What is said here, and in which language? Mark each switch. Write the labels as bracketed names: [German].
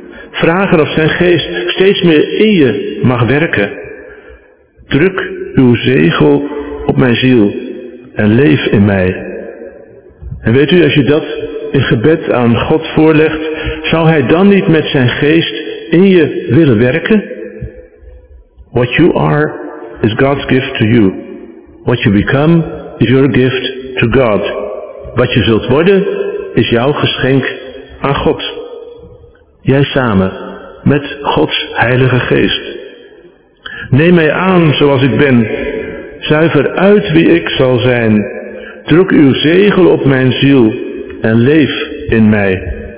[Dutch] Vragen of zijn geest steeds meer in je mag werken. Druk uw zegel op mijn ziel en leef in mij. En weet u, als je dat in gebed aan God voorlegt, zou hij dan niet met zijn geest in je willen werken? [English] What you are is God's gift to you. What you become is your gift to God. [Dutch] Wat je zult worden is jouw geschenk aan God. Jij samen met Gods Heilige Geest. Neem mij aan zoals ik ben. Zuiver uit wie ik zal zijn. Druk uw zegel op mijn ziel en leef in mij.